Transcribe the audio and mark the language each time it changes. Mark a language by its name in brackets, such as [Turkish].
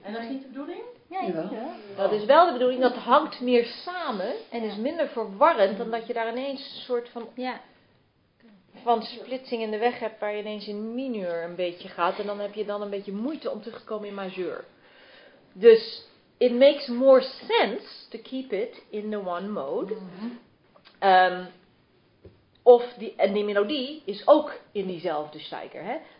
[Dutch] En dat is niet de bedoeling? Ja. Dat is wel de bedoeling, dat hangt meer samen en is minder verwarrend dan dat je daar ineens een soort van splitsing in de weg hebt waar je ineens in mineur een beetje gaat. En dan heb je dan een beetje moeite om terug te komen in majeur. Dus... [English] It makes more sense to keep it in the one mode. Mm-hmm. [Dutch] Of die, en die melodie is ook in diezelfde steiger.